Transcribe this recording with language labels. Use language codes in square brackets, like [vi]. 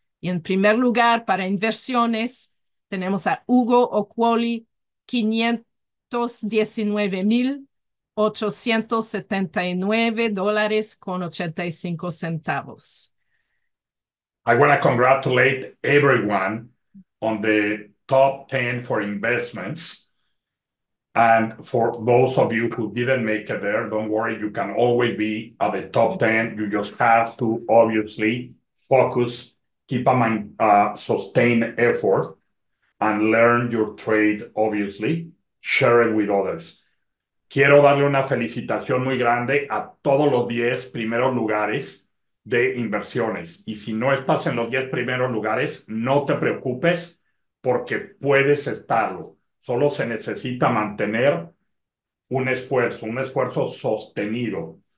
[es] Y en primer lugar, para inversiones, tenemos a Hugo Okwoli, $519,879.85. [en] I want to congratulate everyone on the top 10 for investments. And for those of you who didn't make it there, don't worry, you can always be at the top 10. You just have to obviously focus, keep a mind, sustained effort, and learn your trade, obviously, share it with others. [es] Quiero darle una felicitación muy grande a todos los 10 primeros lugares de inversiones. Y si no estás en los 10 primeros lugares, no te preocupes, porque puedes estarlo. Solo se necesita mantener un esfuerzo sostenido.